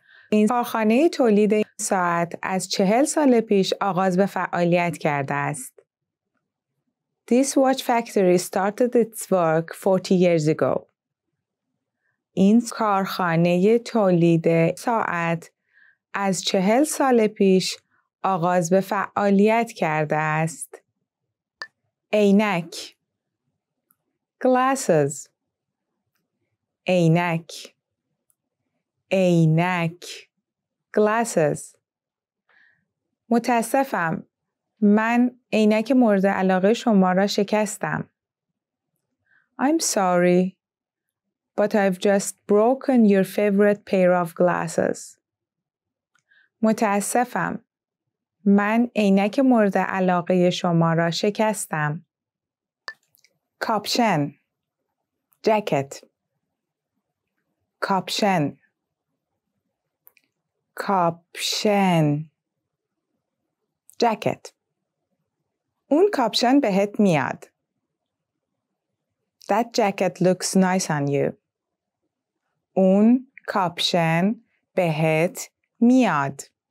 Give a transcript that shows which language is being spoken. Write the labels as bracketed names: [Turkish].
[Persian] این کارخانه تولید ساعت از 40 سال پیش آغاز به فعالیت کرده است. [English] This watch factory started its work 40 years ago. [Persian] این کارخانه تولید ساعت از 40 سال پیش آغاز به فعالیت کرده است. عینک. [English] Glasses. [Persian] عینک. عینک. [English] Glasses. [Persian] متاسفم. من عینک مورد علاقه شما را شکستم. [English] I'm sorry, but I've just broken your favorite pair of glasses. [Persian] متاسفم. من عینک مورد علاقه شما را شکستم. [English] Caption. Jacket. Caption. [Persian] کاپشن جکت اون کاپشن بهت میاد [English] That jacket looks nice on you [Persian] اون کاپشن بهت میاد